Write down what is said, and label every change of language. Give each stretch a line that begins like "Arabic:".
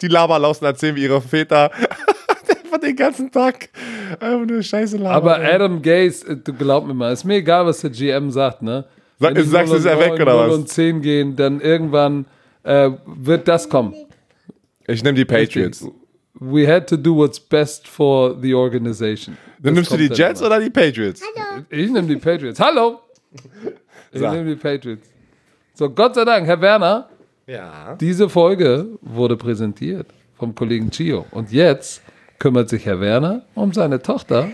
German: Die Laberlausen erzählen wie ihre Väter. Einfach den ganzen Tag. Einfach nur Scheiße labern. Aber Adam Gase, du glaub mir mal, ist mir egal, was der GM sagt, ne? sagst du, ist er weg oder was? Wenn und 10 gehen, dann irgendwann wird das kommen. Ich nehme die Patriots.
English: We had to do what's best for the organization.
German: Dann nimmst du die Jets oder die Patriots? Hallo. Ich nehme die Patriots. Hallo. Ich nehme die Patriots. So, Gott sei Dank, Herr Werner. Ja. Diese Folge wurde präsentiert vom Kollegen Gio. Und jetzt kümmert sich Herr Werner um seine Tochter.